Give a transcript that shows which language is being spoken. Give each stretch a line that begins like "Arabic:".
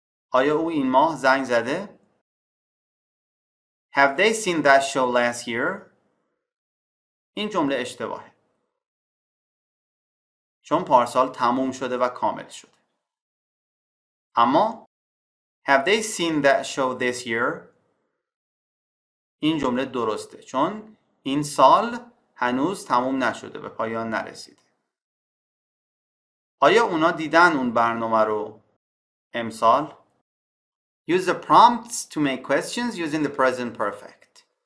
Persian: آیا او این ماه زنگ زده؟
English: Have they seen that show last year?
Persian: این جمله اشتباهه. چون پارسال تموم شده و کامل شده. اما
English: Have they seen that show this year?
Persian: این جمله درسته چون این سال هنوز تموم نشده، به پایان نرسیده. آیا اونا دیدن اون برنامه رو امسال؟
English: Use the prompts to make questions using the present perfect.